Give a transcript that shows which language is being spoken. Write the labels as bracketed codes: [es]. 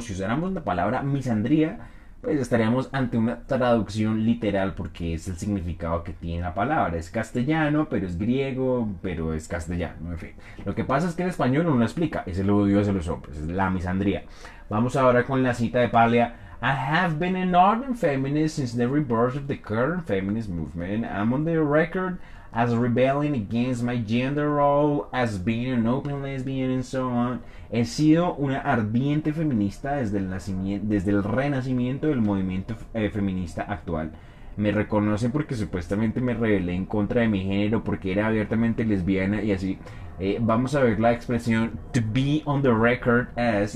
[es] Si usáramos la palabra misandría, pues estaríamos ante una traducción literal porque es el significado que tiene la palabra. Es castellano, pero es griego, pero es castellano, en fin. Lo que pasa es que en español no lo explica, es el odio hacia los hombres, es la misandría. Vamos ahora con la cita de Paglia. [en] I have been an ardent feminist since the rebirth of the current feminist movement. I'm on the record as rebelling against my gender role, as being an open lesbian, and so on. [es] He sido una ardiente feminista desde el nacimiento, desde el renacimiento del movimiento feminista actual. Me reconoce porque supuestamente me rebelé en contra de mi género, porque era abiertamente lesbiana y así. Vamos a ver la expresión [en] to be on the record as.